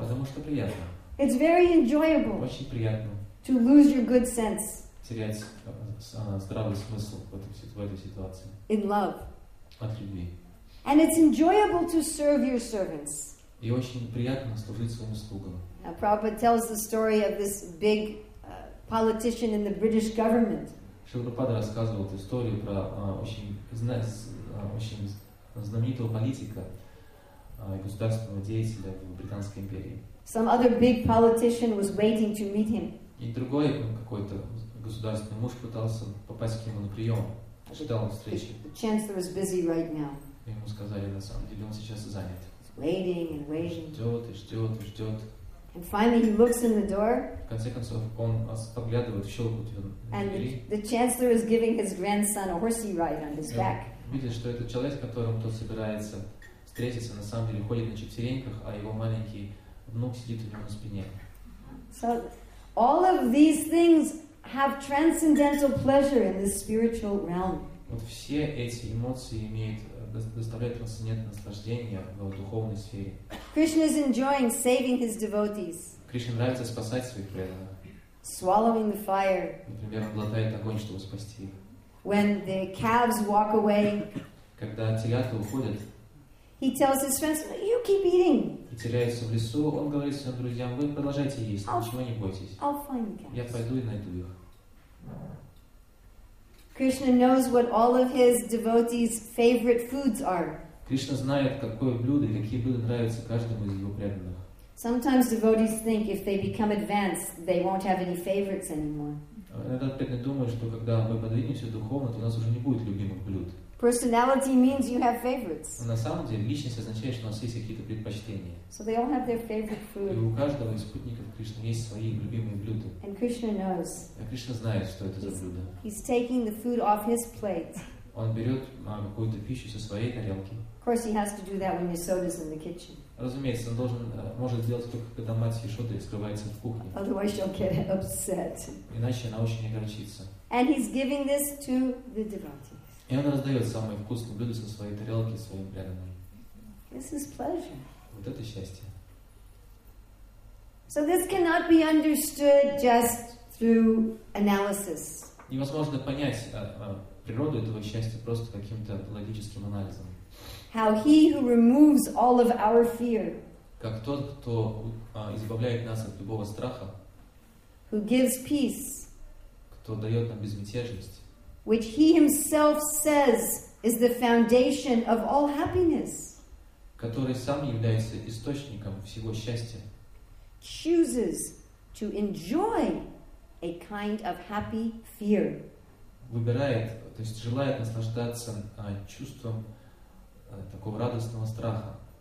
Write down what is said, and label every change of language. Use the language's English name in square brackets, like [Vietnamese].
[Russian] Потому что приятно. [English] It's very enjoyable. [Russian] Очень приятно. [English] To lose your good sense. [Russian] Терять здравый смысл в этой ситуации. [English] In love. [Russian] От любви. [English] And it's enjoyable to serve your servants. [Russian] И очень приятно служить своим слугам. [English] Prabhupada tells the story of this big politician in the British government. [Russian] Шилпапада рассказывал эту историю про очень знаменитого политика и государственного деятеля в Британской империи. [English] Some other big politician was waiting to meet him. [Russian] И другой какой-то государственный муж пытался попасть к нему на прием, ждал встречи. [English] The chancellor is busy right now. [Russian] И ему сказали, на самом деле он сейчас занят. [English] He's waiting and waiting. [Russian] Ждет и ждет и ждет. [English] And finally he looks in the door. [Russian] В конце концов он оглядывает, щелкает его. [English] And the chancellor is giving his grandson a horsey ride on his back. [Russian] Видит, что этот человек, с которым тот собирается встретиться, на самом деле ходит на четвереньках, а его маленький внук сидит у него на спине. [English] So all of these things have transcendental pleasure in the spiritual realm. [Russian] Вот все эти эмоции имеют доставляют трансцендентное наслаждение в духовной сфере. [English] Krishna is enjoying saving his devotees. [Russian] Кришне нравится спасать своих преданных. [English] Swallowing the fire. [Russian] Например, он глотает огонь, чтобы спасти их. [English] When the calves walk away. [Russian] Когда телята уходят. [English] He tells his friends, "You keep eating." [Russian] И теряется в лесу, он говорит своим друзьям, вы продолжайте есть, ничего не бойтесь. [English] I'll find the calves. [Russian] Я пойду и найду их. [English] Krishna knows what all of his devotees' favorite foods are. [Russian] Кришна знает, какое блюдо и какие блюда нравятся каждому из его преданных. [English] Sometimes devotees think if they become advanced, they won't have any favorites anymore. [Russian] Иногда преданные думают, что когда мы подвинемся духовно, то у нас уже не будет любимых блюд. [English] Personality means you have favorites. [Russian] На самом деле, личность означает, что у нас есть какие-то предпочтения. [English] So they all have their favorite food. [Russian] И у каждого из спутников Кришны есть свои любимые блюда. [English] And Krishna knows. [Russian] А Кришна знает, что это за блюда. [English] He's taking the food off his plate. [Russian] Он берет какую-то пищу со своей тарелки. [English] Of course, he has to do that when Yashoda's in the kitchen. [Russian] Разумеется, он должен, может сделать только, когда мать Яшоды скрывается в кухне. [English] Otherwise, she'll get upset. [Russian] Иначе она очень огорчится. [English] And he's giving this to the devotees. [Russian] И он раздает самые вкусные блюда со своей тарелки своим преданным. [English] This is pleasure. [Russian] Вот это счастье. [English] So this cannot be understood just through analysis. [Russian] Невозможно понять природу этого счастья просто каким-то логическим анализом. [English] How he who removes all of our fear. [Russian] Как тот, кто избавляет нас от любого страха. [English] Who gives peace. [Russian] Кто дает нам безмятежность. [English] Which he himself says is the foundation of all happiness. [Russian] Который сам является источником всего счастья. [English] Chooses to enjoy a kind of happy fear. [Russian] Выбирает, то есть желает наслаждаться чувством такого радостного страха.